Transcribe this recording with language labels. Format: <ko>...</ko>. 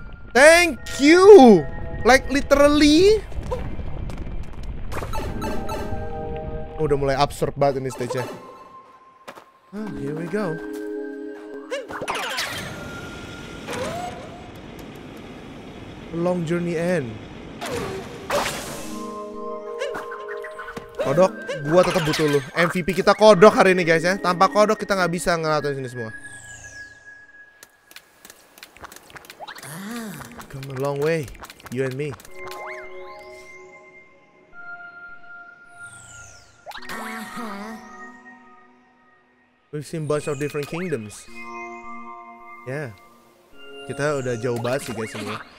<en>Thank you, like literally.</en> <id>Oh, udah mulai absurd banget ini stage-nya.</id> <en>Oh, here we go. A long journey end.</en> <id>Kodok, gua tetap butuh lu. MVP kita Kodok hari ini, guys ya. Tanpa Kodok kita enggak bisa ngelatih ini semua.</id> <en>Come a long way, you and me. We've seen bunch of different kingdoms. Yeah,</en> <id>kita udah jauh banget sih guys ini.</id>